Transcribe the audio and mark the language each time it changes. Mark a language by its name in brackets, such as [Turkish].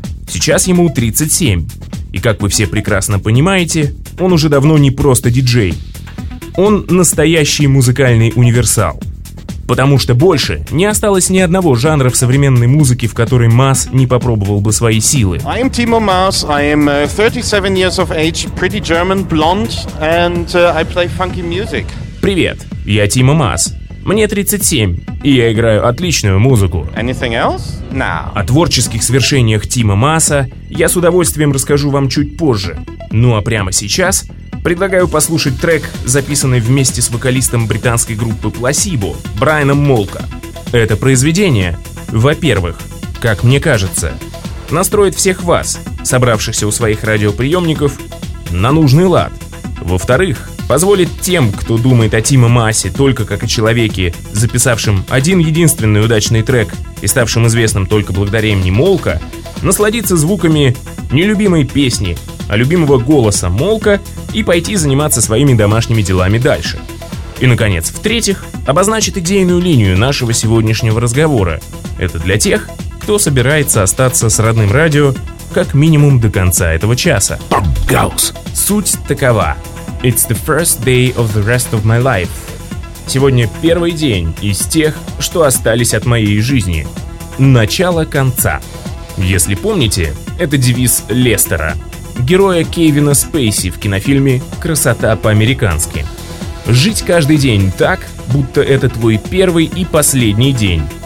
[Russian] Сейчас ему 37. И как вы все прекрасно понимаете, он уже давно не просто диджей. Он настоящий музыкальный универсал. Потому что больше не осталось ни одного жанра в современной музыке, в который Маас не попробовал бы свои силы. [English] I'm Timo Maas. I'm 37 years of age, pretty German, blonde, and I play funky music. [Russian] Привет, я Тима Маас. Мне 37, и я играю отличную музыку. [English] Anything else? No. [Russian] О творческих свершениях Тима Мааса я с удовольствием расскажу вам чуть позже. Ну а прямо сейчас предлагаю послушать трек, записанный вместе с вокалистом британской группы Placebo, Брайаном Молко. Это произведение, во-первых, как мне кажется, настроит всех вас, собравшихся у своих радиоприемников, на нужный лад. Во-вторых, позволит тем, кто думает о Тима Маасе только как о человеке, записавшем один единственный удачный трек и ставшем известным только благодаря имени Молко, насладиться звуками нелюбимой песни, а любимого голоса Молко и пойти заниматься своими домашними делами дальше. И, наконец, в-третьих, обозначит идейную линию нашего сегодняшнего разговора. Это для тех, кто собирается остаться с родным радио как минимум до конца этого часа. Суть такова. [English] It's the first day of the rest of my life. [Russian] Сегодня первый день из тех, что остались от моей жизни. Начало конца. Если помните, это девиз Лестера, героя Кевина Спейси в кинофильме «Красота по-американски». Жить каждый день так, будто это твой первый и последний день.